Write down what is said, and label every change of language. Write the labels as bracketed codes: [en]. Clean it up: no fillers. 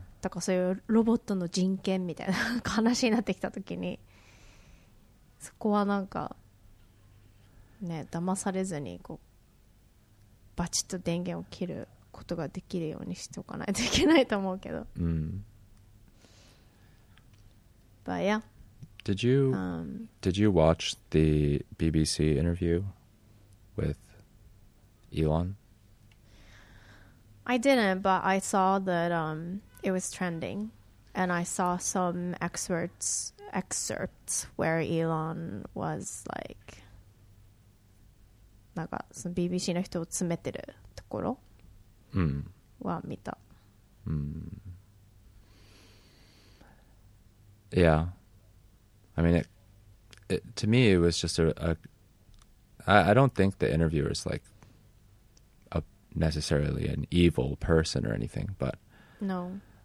[ja] だからそういうロボットの人権みたいな話になってきたときに、そこはなんか、ね、騙されずにこうバチッと電源を切ることができるようにしておかないといけないと思うけど。 [en] But yeah. Did you watch the BBC interview with Elon? I didn't, but I saw that it was trending, and I saw some excerpts where Elon was like. [ja] なんかその BBC の人を詰めてるところは見た。 [en] Yeah, I mean, to me it was just I don't think the interviewer is like necessarily an evil person or anything, but no,